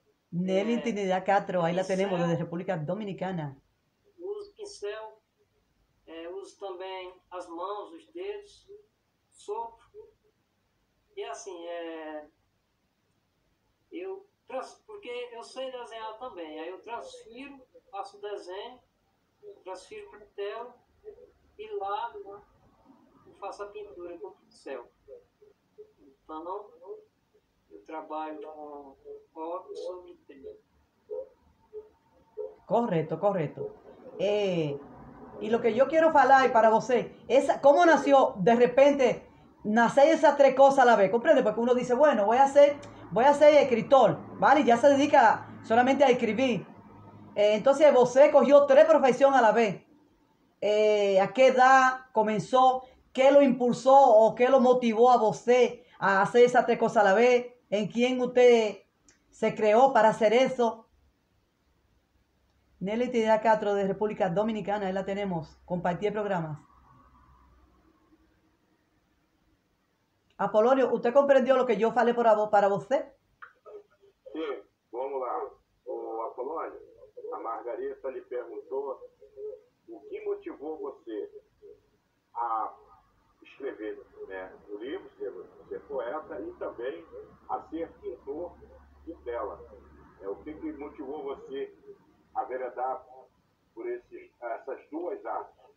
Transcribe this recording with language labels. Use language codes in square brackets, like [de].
[es] Nelly Intimidad 4, ahí la tenemos desde República Dominicana. [pt] Uso pincel. Uso também as mãos, os dedos, sopro. E assim, eu porque eu sei desenhar também. Aí eu transfiro, faço o desenho, transfiro para a tela e lá eu faço a pintura com o pincel. Então, eu trabalho com óleo sobre tela. Correto, correto. [es] Y lo que yo quiero falar para vosotros, ¿cómo nació de repente nacer esas tres cosas a la vez? ¿Comprende? Porque uno dice, bueno, voy a ser escritor, ¿vale? Ya se dedica solamente a escribir. Entonces, vosotros cogió tres profesiones a la vez. ¿A qué edad comenzó? ¿Qué lo impulsó o qué lo motivó a vosotros a hacer esas tres cosas a la vez? ¿En quién usted se creó para hacer eso? Nelly Tidia 4 de República Dominicana, ahí la tenemos. Compartí el programa. Apolonio, ¿usted comprendió lo que yo falei para usted? Sí, vamos lá. [pt] Apolonio, a Margarita le preguntó: ¿o que motivó a você a escrever, né, o livro, ser poeta [es] y también a ser pintor de tela? [pt] ¿O que motivó a você a veredar por essas duas artes?